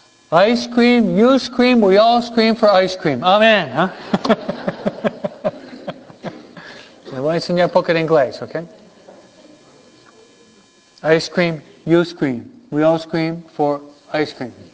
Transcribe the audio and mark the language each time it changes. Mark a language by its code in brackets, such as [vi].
[en] Ice cream, you scream, we all scream for ice cream. [es] Amen, ¿eh? Le voy a enseñar un poco de inglés, ¿ok? [en] Ice cream, you scream. We all scream for ice cream.